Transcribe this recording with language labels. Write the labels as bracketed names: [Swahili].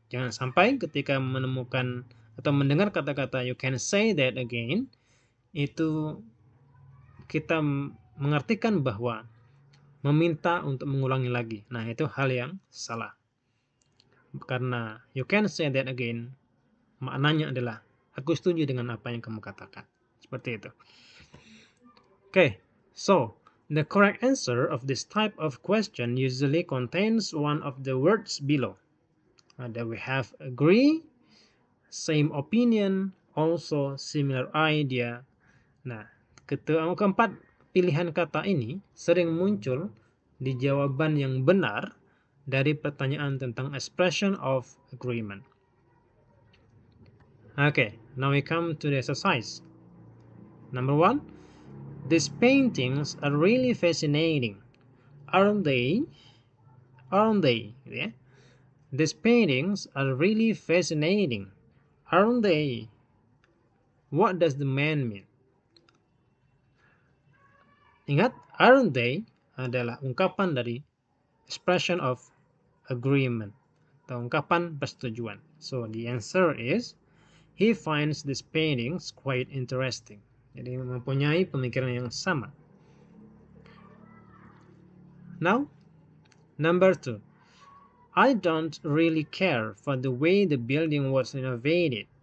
[Indonesian] Jangan sampai ketika menemukan atau mendengar kata-kata [English] you can say that again, [Indonesian] itu kita mengartikan bahwa meminta untuk mengulangi lagi. Nah, itu hal yang salah. Karena [English] you can say that again, [Indonesian] maknanya adalah aku setuju dengan apa yang kamu katakan. Seperti itu. [English] Okay, so the correct answer of this type of question usually contains one of the words below. That we have agree, same opinion, also similar idea. [Indonesian] Nah, keempat pilihan kata ini sering muncul di jawaban yang benar dari pertanyaan tentang [English] expression of agreement. Okay, now we come to the exercise. Number one, these paintings are really fascinating. Aren't they? Yeah. These paintings are really fascinating. Aren't they? What does the man mean? [Indonesian] Ingat, [English] aren't they [Indonesian] adalah ungkapan dari [English] expression of agreement [Indonesian] atau ungkapan persetujuan. [English] So the answer is, he finds these paintings quite interesting. [Indonesian] Jadi mempunyai pemikiran yang sama. [English] Now, number two. I don't really care for the way the building was renovated.